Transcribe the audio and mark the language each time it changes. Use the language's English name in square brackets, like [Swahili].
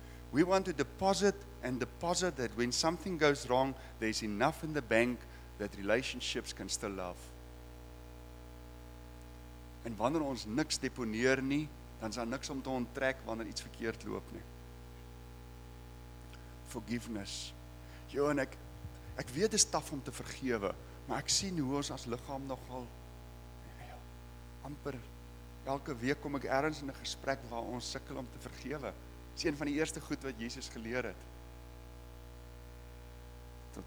[English] We want to deposit and deposit that when something goes wrong, there's enough in the bank that relationships can still love. [Afrikaans] En wanneer ons niks deponeer nie, dan is daar niks om te onttrek wanneer iets verkeerd loop nie. [English] Forgiveness. [Afrikaans] Jo, en ek weet dit is taf om te vergewe, maar ek sien hoe ons as liggaam nogal amper elke week kom ek ergens in 'n gesprek waar ons sukkel om te vergewe. Dis een van die eerste goed wat Jesus geleer het.